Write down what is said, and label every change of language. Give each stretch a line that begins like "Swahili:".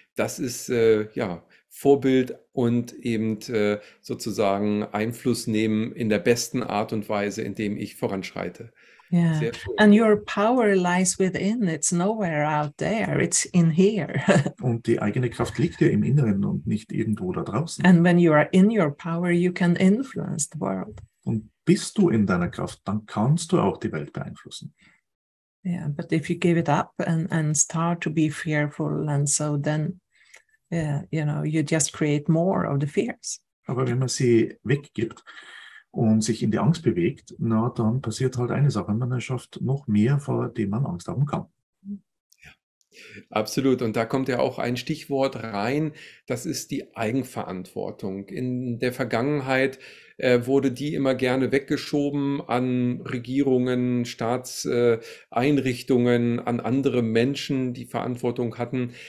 German: Das ist ja Vorbild und eben sozusagen Einfluss nehmen in der besten Art und Weise, indem ich voranschreite.
English: Yeah.
German: Sehr schön.
English: And your power lies within. It's nowhere out there. It's in here.
German: Und die eigene Kraft liegt ja im Inneren und nicht irgendwo da draußen.
English: And when you are in your power, you can influence the world.
German: Und bist du in deiner Kraft, dann kannst du auch die Welt beeinflussen.
English: Yeah, but if you give it up and start to be fearful and so, then yeah, you know, you just create more of the fears.
German: Aber wenn man sie weggibt und sich in die Angst bewegt, na, dann passiert halt eine Sache, man erschafft noch mehr, vor dem man Angst haben kann. Ja, absolut. Und da kommt ja auch ein Stichwort rein, das ist die Eigenverantwortung. In der Vergangenheit wurde die immer gerne weggeschoben an Regierungen, Staatseinrichtungen, an andere Menschen, die Verantwortung hatten.